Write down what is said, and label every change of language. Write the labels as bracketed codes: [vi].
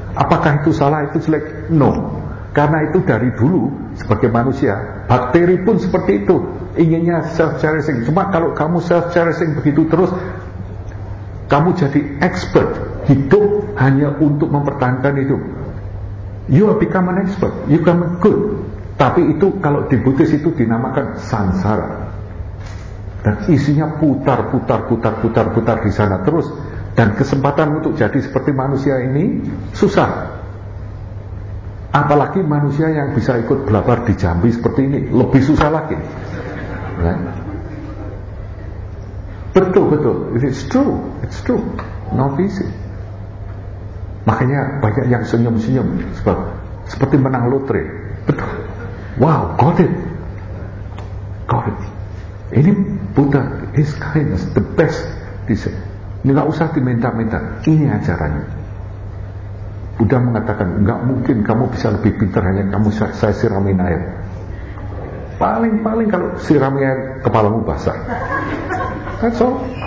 [id] Apakah itu salah, itu jelek? [en] No. [id] Karena itu dari dulu, sebagai manusia, bakteri pun seperti itu, inginnya self-cherishing. Cuma kalau kamu self-cherishing begitu terus, kamu jadi expert hidup hanya untuk mempertahankan hidup. [en] You have become an expert, you become good. [id] Tapi itu kalau di Buddhis itu dinamakan samsara. Dan isinya putar di sana terus, dan kesempatan untuk jadi seperti manusia ini susah. apalagi manusia yang bisa ikut belabar di Jambi seperti ini, lebih susah lagi. [en] Right? [id] Betul, betul. [en] It's true, it's true. Not easy. [id] Makanya banyak yang senyum-senyum sebab seperti menang lotre. Betul. [en] Wow, got it. Got it. [id] Ini [en] Buddha, his kindness, the best. [id] Dia enggak usah diminta-minta. Ini ajarannya. Buddha mengatakan, enggak mungkin kamu bisa lebih pintar hanya kamu saya siramin air. Paling-paling kalau siramin air, kepalamu basah. [en] That's all.